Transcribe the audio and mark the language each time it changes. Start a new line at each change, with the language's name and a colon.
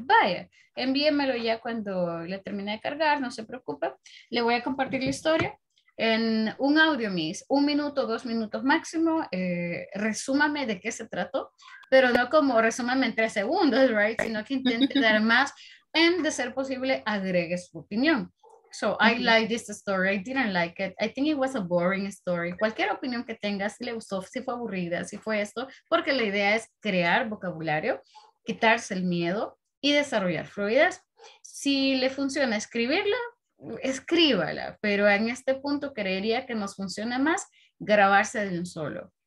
Spanish: Vaya, envíemelo ya cuando le termine de cargar, no se preocupe. Le voy a compartir la historia. En un audio, Miss, un minuto, dos minutos máximo, resúmame de qué se trató, pero no como resúmame en tres segundos, right? Sino que intente dar más y de ser posible agregue su opinión.
English: So, I like this story, I didn't like it, I think it was a boring story.
Spanish: Cualquier opinión que tenga, si le gustó, si fue aburrida, si fue esto, porque la idea es crear vocabulario, quitarse el miedo y desarrollar fluidez. Si le funciona escribirla, escríbala, pero en este punto creería que nos funciona más grabarse de un solo.